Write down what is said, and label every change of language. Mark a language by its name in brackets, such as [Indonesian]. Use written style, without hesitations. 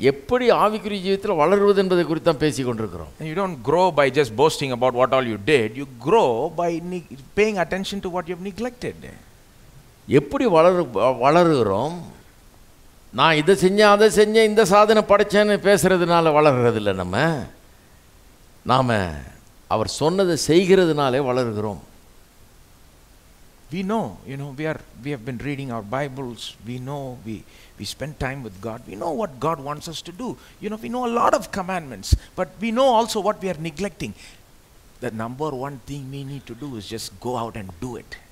[Tamil] எப்படி ஆவிக்குரிய ஜீவிதத்தில் வளருவது என்பதை குறித்து தான் பேசிக் கொண்டிருக்கிறோம். [English] You don't grow by just boasting about what all you did. You grow by paying attention to what you've neglected. [Tamil] எப்படி வளருகிறோம்? நான் இதை செஞ்சேன், அதை செஞ்சேன், இந்த சாதனை படைச்சேன்னு பேசுறதுனால வளர்கிறது இல்லை நம்ம. நாம் அவர் சொன்னதை செய்கிறதுனாலே வளருகிறோம். [English] We know, you know, we have been reading our Bibles, we know, we spend time with God, we know what God wants us to do. You know, we know a lot of commandments, but we know also what we are neglecting. The number one thing we need to do is just go out and do it.